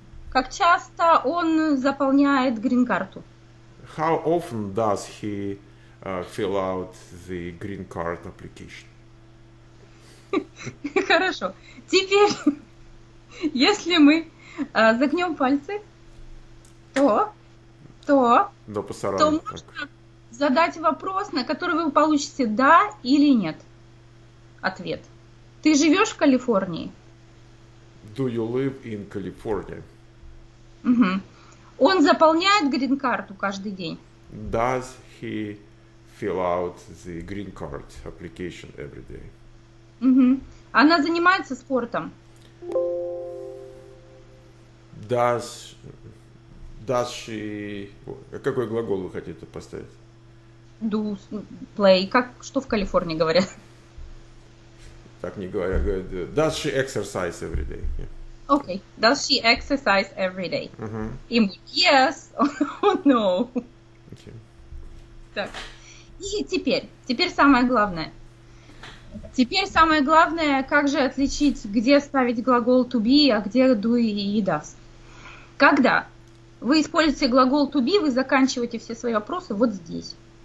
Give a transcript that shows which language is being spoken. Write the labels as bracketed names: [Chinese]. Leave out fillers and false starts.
[Russian] Как часто он заполняет грин-карту? [English] How often does he fill out the green card application? [Russian] Хорошо. Теперь, если мы загнем пальцы, то можно задать вопрос, на который вы получите да или нет. Ответ. Ты живешь в Калифорнии? [English] Do you live in California? Угу. [Russian] Он заполняет грин-карту каждый день? [English] Does he fill out the green card application every day? Угу. [Russian] Она занимается спортом? [English] Does she... [Russian] Какой глагол вы хотите поставить? [English] Do, play. [Russian] Как, что в Калифорнии говорят? так не говоря, говорит, [English] does she exercise every day? Yeah. Okay, does she exercise every day? Uh-huh. [Russian] И мы, [English] yes or no. Okay. [Russian] Так, и теперь самое главное. Теперь самое главное, как же отличить, где ставить глагол to be, а где do и does. Когда вы используете глагол to be, вы заканчиваете все свои вопросы вот здесь.